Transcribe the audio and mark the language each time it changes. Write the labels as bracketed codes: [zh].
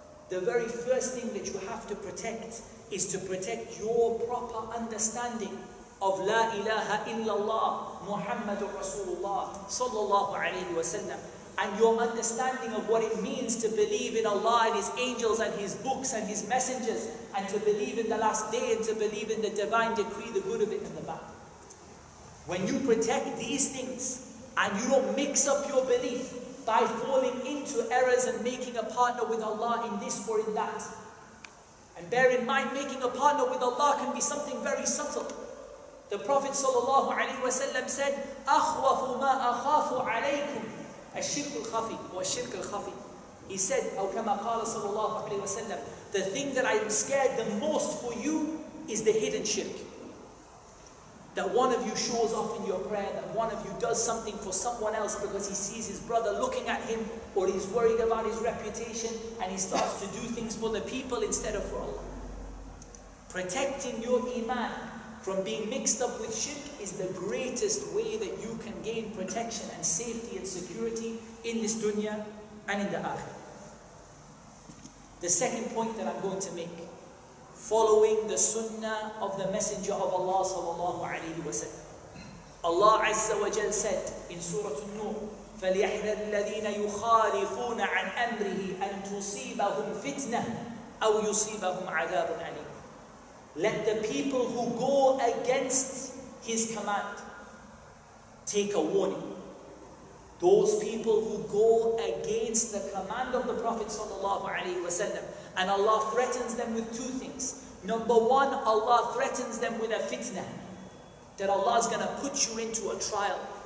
[en] The very first thing that you have to protect is to protect your proper understanding of La ilaha illallah Muhammadur Rasulullah sallallahu alayhi wa sallam, and your understanding of what it means to believe in Allah and His angels and His books and His messengers, and to believe in the last day, and to believe in the divine decree, the good of it and the bad. When you protect these things and you don't mix up your belief by falling into errors and making a partner with Allah in this or in that. And bear in mind, making a partner with Allah can be something very subtle. The Prophet sallallahu alaihi wasallam said, [ar] أَخْوَفُ مَا أَخَافُ عَلَيْكُمْ أَشِرْكُ الْخَفِي وَأَشِرْكُ الْخَفِي. [en] He said, [ar] أَوْ كَمَا قَالَ [en] sallallahu alaihi wasallam, the thing that I am scared the most for you is the hidden shirk. That one of you shows off in your prayer, that one of you does something for someone else because he sees his brother looking at him, or he's worried about his reputation and he starts to do things for the people instead of for Allah. Protecting your iman from being mixed up with shirk is the greatest way that you can gain protection and safety and security in this dunya and in the akhirah. The second point that I'm going to make, following the sunnah of the Messenger of Allah sallallahu alayhi wa sallam. Allah azza wa jal said in Surah An-Nur, [ar] فَلْيَحْذَرِ الَّذِينَ يُخَالِفُونَ عَنْ أَمْرِهِ أَنْ تُصِيبَهُمْ فِتْنَةً أَوْ يُصِيبَهُمْ عَذَابٌ عَلِيمٌ. [en] Let the people who go against His command take a warning. Those people who go against the command of the Prophet sallallahu alayhi wa sallam, and Allah threatens them with two things. Number one, Allah threatens them with a fitna. That Allah is going to put you into a trial.